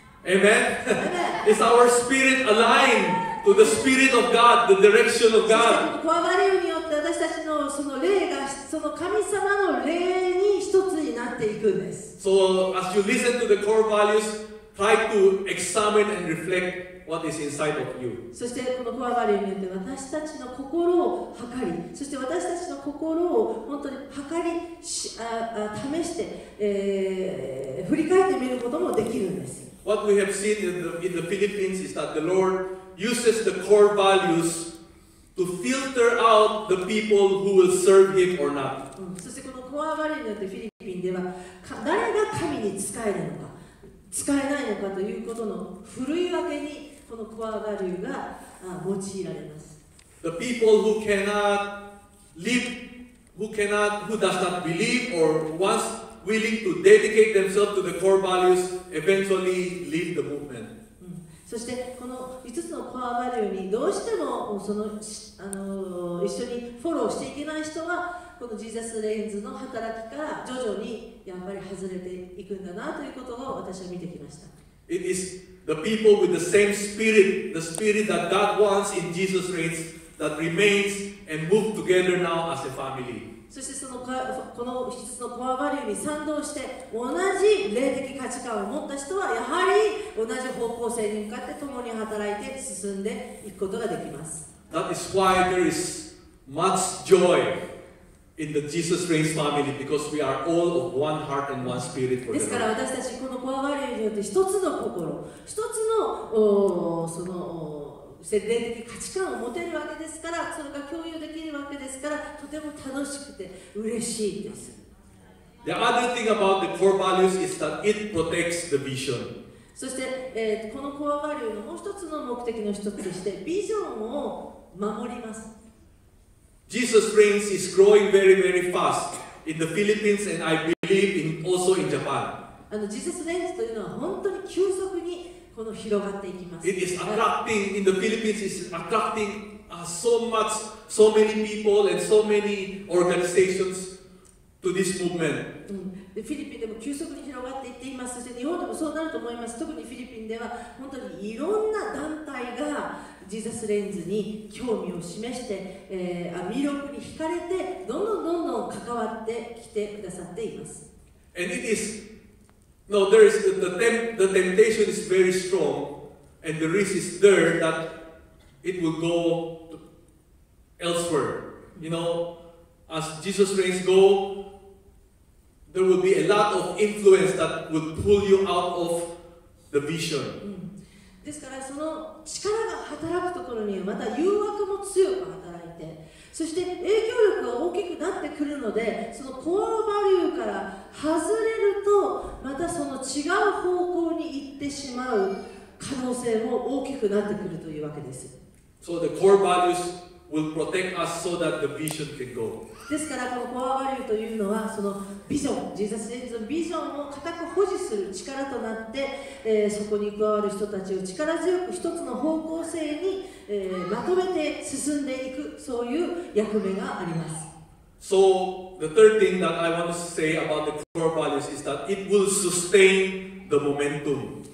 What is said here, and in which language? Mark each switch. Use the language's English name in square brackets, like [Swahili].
[English] Amen. Is our spirit aligned to the spirit of God, the direction of God? [Japanese] コアバリューによって私たちのその霊がその神様の霊に一つになっていくんです。 [English] So as you listen to the core values, try to examine and reflect what is inside of you. [Japanese] そしてこのコアバリューによって私たちの心を測り、そして私たちの心を本当に測り試して、振り返ってみることもできるんです。 [English] What we have seen in the Philippines is that the Lord uses the core values to filter out the people who will serve Him or not. [Japanese] そしてこのコアバリューによってフィリピンでは誰が神に使えるのか使えないのかということの振り分けにこのコアバリューが用いられます。 [English] The people who cannot live, who does not believe or wants willing to dedicate themselves to the core values, eventually leave the movement. [Japanese] そしてこの5つのコアバリューにどうしてもその、一緒にフォローしていけない人はこのジーザスレンズの働きから徐々にやっぱり外れていくんだなということを私は見てきました。 [English] It is the people with the same spirit, the spirit that God wants in Jesus reigns, that remains and move together now as a family. [Japanese] そしてそのこの一つのコアバリューに賛同して同じ霊的価値観を持った人はやはり同じ方向性に向かって共に働いて進んでいくことができます。 [English] That is why there is much joy in the Jesus Reigns family because we are all of one heart and one spirit for [Japanese] ですから私たちこのコアバリューによって一つの心、一つのその霊的価値観を持てるわけですから、それが共有できるわけですから、とても楽しくて嬉しいんです。 [English] The other thing about the core values is that it protects the vision. [Japanese] そして、このコアバリューのもう一つの目的の一つとして、ビジョンを守ります。 [English] Jesus reigns is growing very, very fast in the Philippines and I believe in also in Japan. [Japanese] Jesus reigns というのは本当に急速にこの広がっていきます。 [English] It is attracting in the Philippines. It is attracting so much, so many people and so many organizations to this movement. [Japanese] フィリピンでも急速に広がっていっています。そして日本でもそうなると思います。特にフィリピンでは本当にいろんな団体がジーザスレンズに興味を示して、魅力に惹かれてどんどんどんどん関わってきてくださっています。 [English] And it is. No, there is the temptation is very strong, and the risk is there that it will go elsewhere. You know, as Jesus reigns go, there will be a lot of influence that will pull you out of the vision. [Japanese] ですからその力が働くところにはまた誘惑も強く働いて、そして影響力が大きくなってくるので、そのコアバリューから外れるとまたその違う方向に行ってしまう可能性も大きくなってくるというわけです。 [English] So the core values will protect us so that the vision can go. [Japanese] ですからこのコアバリューというのはそのビジョン、ジーザスレンズのビジョンを固く保持する力となって、そこに加わる人たちを力強く一つの方向性に、まとめて進んでいくそういう役目があります。 [English] So the third thing that I want to say about the core values is that it will sustain the momentum.